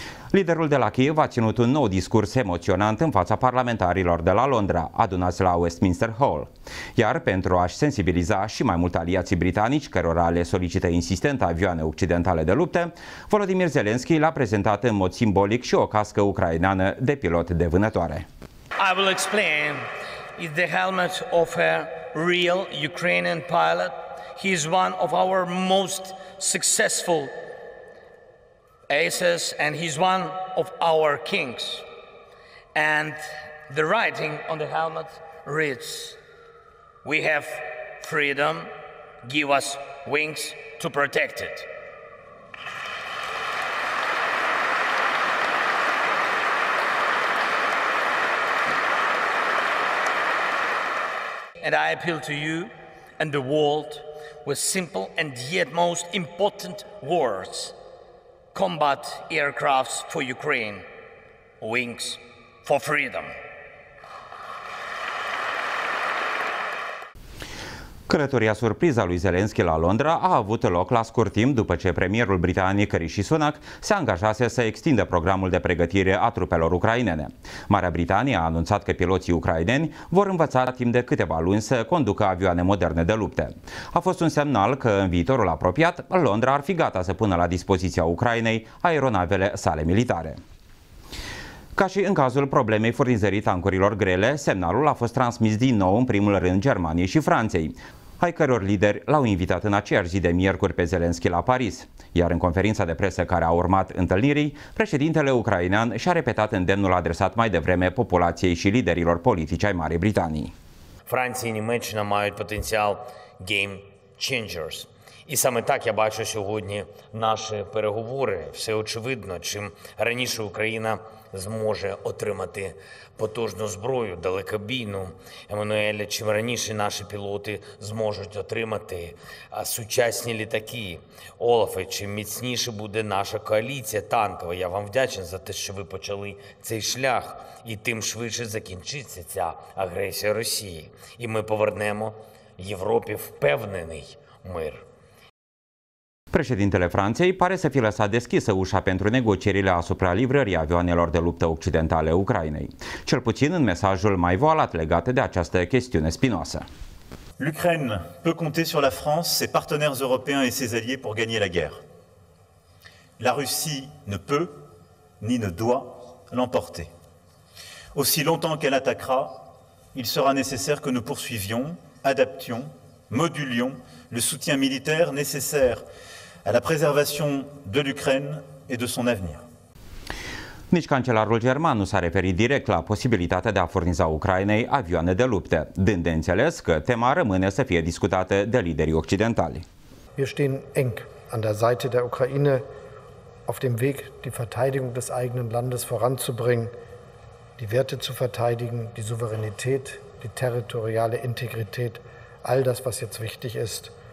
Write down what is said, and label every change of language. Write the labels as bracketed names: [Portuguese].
[Romanian] Liderul de la Kiev a ținut un nou discurs emoționant în fața parlamentarilor de la Londra, adunați la Westminster Hall. Iar pentru a-și sensibiliza și mai mult aliații britanici, cărora le solicită insistent avioane occidentale de luptă, Volodymyr Zelenski l-a prezentat în mod simbolic și o cască ucraineană de pilot de vânătoare. [English] I will explain. It's the helmet of a real Ukrainian pilot. He is one of our most successful aces, and he's one of our kings. And the writing on the helmet reads, "We have freedom, give us wings to protect it." And I appeal to you and the world with simple and yet most important words: combat aircrafts for Ukraine, wings for freedom. [Romanian] Călătoria surpriză a lui Zelenski la Londra a avut loc la scurt timp după ce premierul britanic Rishi Sunak se angajase să extindă programul de pregătire a trupelor ucrainene. Marea Britanie a anunțat că piloții ucraineni vor învăța timp de câteva luni să conducă avioane moderne de lupte. A fost un semnal că în viitorul apropiat Londra ar fi gata să pună la dispoziția Ucrainei aeronavele sale militare. Ca și în cazul problemei furnizării tancurilor grele, semnalul a fost transmis din nou în primul rând Germaniei și Franței, ai căror lideri l-au invitat în aceeași zi de miercuri pe Zelenski la Paris. Iar în conferința de presă care a urmat întâlnirii, președintele ucrainean și-a repetat îndemnul adresat mai devreme populației și liderilor politici ai Marii Britanii. Franții și Germania mai au potențial [English] game changers. [Ukrainian] І саме так я бачу сьогодні наші переговори. Все очевидно, чим раніше Україна зможе отримати потужну зброю, далекобійну, Еммануеля, чим раніше наші пілоти зможуть отримати сучасні літаки, Олафи, чим міцніше буде наша коаліція танкова. Я вам вдячен за те, що ви почали цей шлях, і тим швидше закінчиться ця агресія Росії. І ми повернемо Європі впевнений мир. [Romanian] Președintele Franței pare să fi lăsat deschisă ușa pentru negocierile asupra livrării avioanelor de luptă occidentale Ucrainei, cel puțin în mesajul mai voalat legat de această chestiune spinoasă. [French] L'Ukraine peut compter sur la France, ses partenaires européens et ses alliés pour gagner la guerre. La Russie ne peut ni ne doit l'emporter. Aussi longtemps qu'elle attaquera, il sera nécessaire que nous poursuivions, adaptions, modulions le soutien militaire nécessaire à la préservation de l'Ukraine et de son avenir. [Romanian] Nici cancelarul german nu s-a referit direct la posibilitatea de a furniza Ucrainei avioane de lupte, dând de înțeles că tema rămâne să fie discutată de liderii occidentali. [German] Wir stehen eng an der Seite der Ukraine auf dem Weg, die Verteidigung des eigenen Landes voranzubringen, die Werte zu verteidigen, die Souveränität, die territoriale Integrität, all das, was jetzt wichtig ist.